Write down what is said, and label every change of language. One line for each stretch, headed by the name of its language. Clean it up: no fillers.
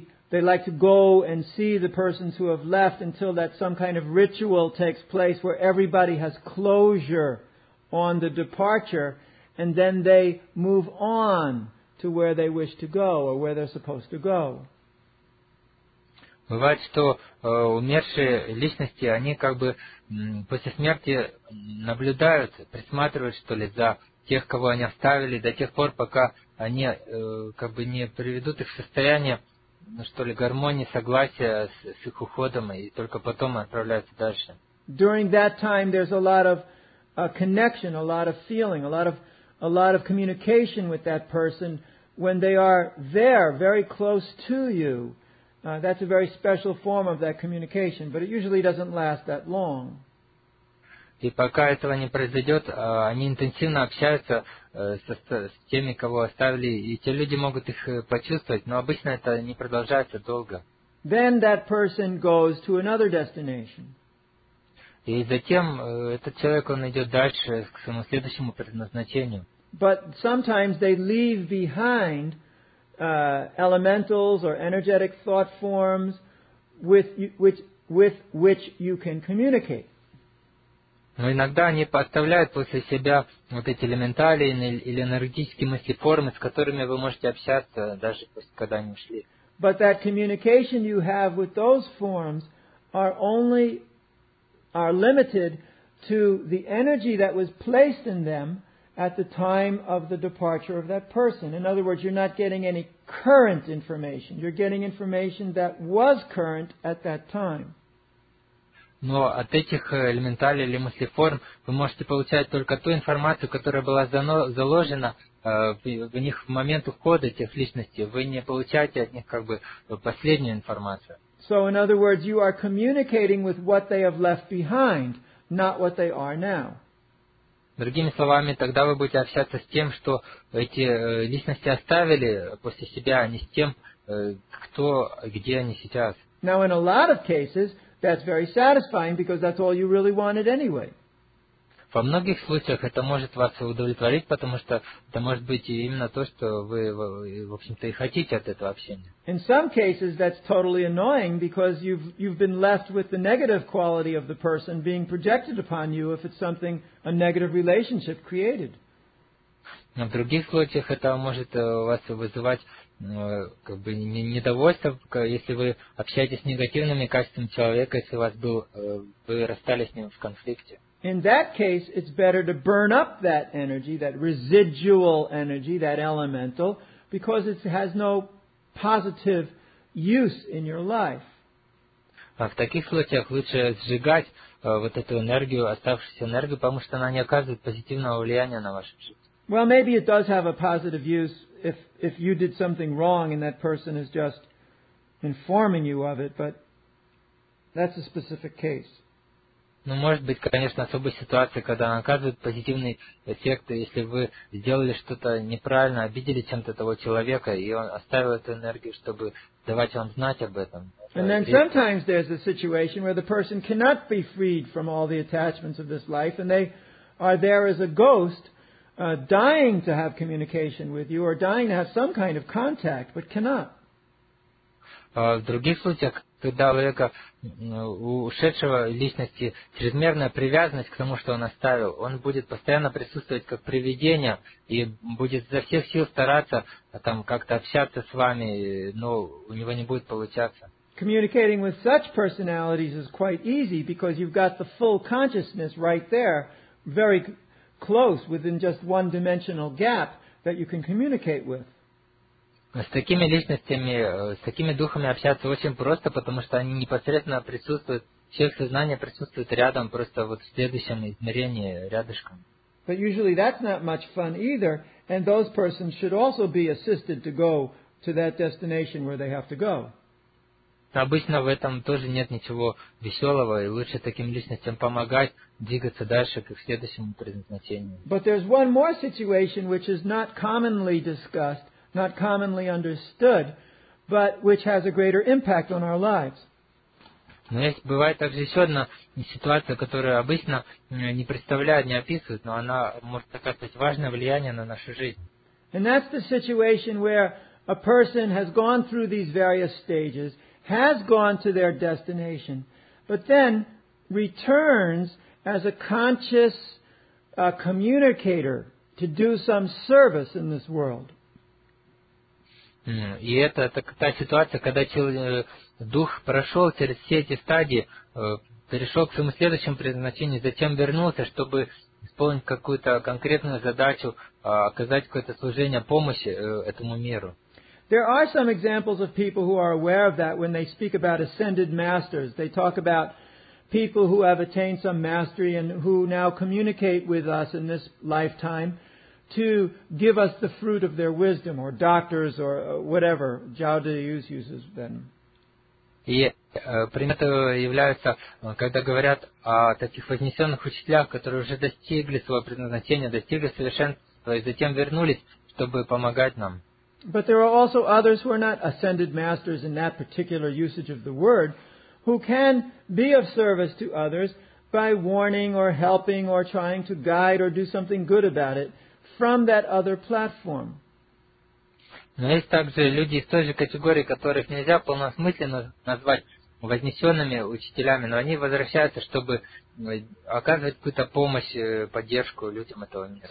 English: They like to go and see the persons who have left until that some kind of ritual takes place where everybody has closure on the departure, and then they move on to where they wish to go or where they're supposed to go.
Russian: Бывает, что умершие личности, они как бы после смерти наблюдают, присматривают, что ли, за тех, кого они оставили, до тех пор, пока они как бы не приведут их в состояние, ну что ли, гармонии, согласия с их уходом, и только потом отправляются дальше.
English: During that time there's a lot of connection, a lot of feeling, a lot of communication with that person when they are there, very close to you. That's a very special form of that communication, but it usually doesn't last that long.
Russian: И пока этого не произойдет, они интенсивно общаются с теми, кого оставили, и те люди могут их почувствовать, но обычно это не продолжается долго.
English: Then that person goes to another destination.
Russian: И затем этот человек, он идет дальше к своему следующему предназначению.
English: But sometimes they leave behind elementals or energetic thought forms with which you can communicate.
Russian: Но иногда они подставляют после себя вот эти элементали или энергетические мысли, формы, с которыми вы можете общаться, даже когда они ушли.
English: But that communication you have with those forms are limited to the energy that was placed in them at the time of the departure of that person. In other words, you're not getting any current information. You're getting information that was current at that time.
Russian: Но от этих элементалей или мыслеформ вы можете получать только ту информацию, которая была заложена в них в момент ухода этих личностей. Вы не получаете от них как бы последнюю информацию.
English: So, in other words, you are communicating with what they have left behind, not what they are now.
Russian: Другими словами, тогда вы будете общаться с тем, что эти личности оставили после себя, а не с тем, кто, где они сейчас.
English: Now, in a lot of cases, that's very satisfying because that's all you really wanted anyway.
Russian: Во многих случаях это может вас удовлетворить, потому что это может быть именно то, что вы, в общем-то, и хотите от этого общения.
English: In some cases, that's totally annoying because you've been left with the negative quality of the person being projected upon you if it's something a negative relationship created.
Russian: Но в других случаях это может вас вызывать как бы недовольство, если вы общаетесь с негативными качествами человека, если у вас был, вы расстались с ним в конфликте.
English: In that case, it's better to burn up that energy, that residual energy, that elemental, because it has no positive use in your life.
Russian: А в таких случаях лучше сжигать вот эту энергию, оставшуюся энергию, потому что она не оказывает позитивного влияния на вашу жизнь.
English: Well, maybe it does have a positive use if you did something wrong and that person is just informing you of it, but that's a specific case.
Russian: Ну, может быть, конечно, особая ситуация, когда она оказывает позитивный эффект, если вы сделали что-то неправильно, обидели чем-то того человека, и он оставил эту энергию, чтобы давать вам знать об этом.
English: And then sometimes there's a situation where the person cannot be freed from all the attachments of this life, and they are there as a ghost, dying to have communication with you or dying to have some kind of contact, but cannot.
Russian: В других случаях, когда у человека, ушедшего личности, чрезмерная привязанность к тому, что он оставил, он будет постоянно присутствовать как привидение и будет за всех сил стараться там как-то общаться с вами, но у него не будет получаться.
English: Communicating with such personalities is quite easy because you've got the full consciousness right there, very close, within just one dimensional gap that you can communicate with.
Russian: С такими личностями, с такими духами общаться очень просто, потому что они непосредственно присутствуют, человек сознания присутствует рядом, просто вот в следующем измерении, рядышком.
English: But usually that's not much fun either, and those persons should also be assisted to go to that destination where they have to go.
Russian: Обычно в этом тоже нет ничего веселого, и лучше таким личностям помогать двигаться дальше к их следующему предназначению.
English: But there's one more situation which is not commonly discussed, not commonly understood, but which has a greater impact on our lives.
Russian: Но есть, бывает также еще одна ситуация, которую обычно не представляют, не описывают, но она может оказать важное влияние на нашу жизнь.
English: And that's the situation where a person has gone through these various stages, has gone to their destination, but then returns as a conscious communicator to do some service in this world.
Russian: И это та ситуация, когда дух прошел через все эти стадии, перешел к своему следующему предназначению, затем вернулся, чтобы исполнить какую-то конкретную задачу, оказать какое-то служение, помощи этому миру.
English: There are some examples of people who are aware of that when they speak about ascended masters. They talk about people who have attained some mastery and who now communicate with us in this lifetime to give us the fruit of their wisdom, or doctors, or whatever Zhao Diyus uses then.
Russian: Примеры являются, когда говорят о таких вознесенных учителях, которые уже достигли своего предназначения, достигли совершенства и затем вернулись, чтобы помогать нам.
English: But there are also others who are not ascended masters in that particular usage of the word, who can be of service to others by warning or helping or trying to guide or do something good about it from that other platform.
Russian: Но есть также люди из той же категории, которых нельзя в полном смысле назвать вознесенными учителями, но они возвращаются, чтобы оказывать какую-то помощь, поддержку людям этого мира.